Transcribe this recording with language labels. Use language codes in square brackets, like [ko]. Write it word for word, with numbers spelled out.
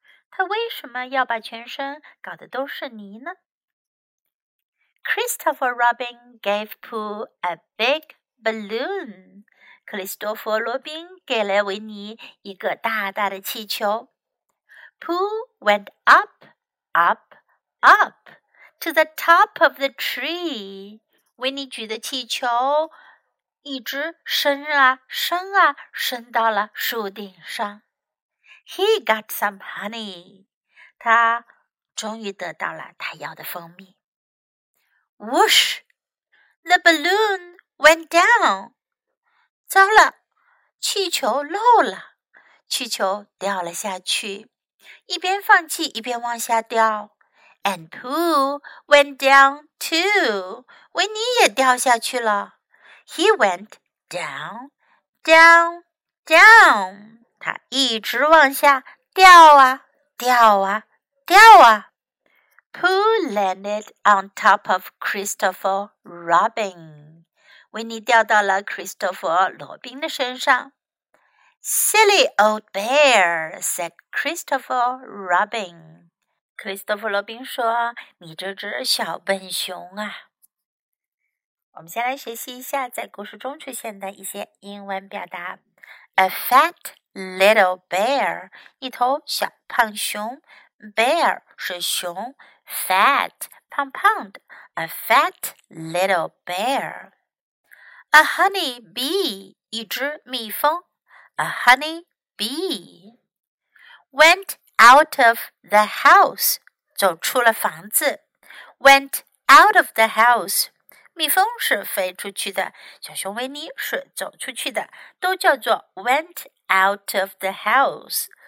[zh] 他为什么要把全身搞得都是泥呢？ [en] Christopher Robin gave Pooh a big balloon. [zh] 克里斯多弗·罗宾给了维尼一个大大的气球。 [en] Pooh went up, up, up to the top of the tree. [zh] 维尼举的气球一直升啊升啊升到了树顶上。 [en] He got some honey. [zh] 他终于得到了他要的蜂蜜。 [en] Whoosh! The balloon went down. [zh] 糟了，气球漏了，气球掉了下去。一边放气一边往下掉。 [en] And Pooh went down too. [zh] 维尼也掉下去了。 [en] He went down, down, down. [zh] 他一直往下掉啊，掉啊，掉啊。 [en] Pooh landed on top of Christopher Robin. [zh] 维尼掉到了 Christopher 罗宾的身上。 [en] Silly old bear, said Christopher Robin. [zh] 克里斯托弗·罗宾说：“你这只小笨熊啊！” 我们先来学习一下在故事中出现的一些英文表达。 [en] A fat little bear， [zh] 一头小胖熊。 Bear 是熊 ，fat 胖胖的。 [en] A fat little bear。 A honey bee， [zh] 一只蜜蜂。 [en] A honey bee went out of the house. [zh] 走出了房子。 [en] Went out of the house. [zh] 蜜蜂是飞出去的，小熊维尼是走出去的，都叫做 [en] went out of the house.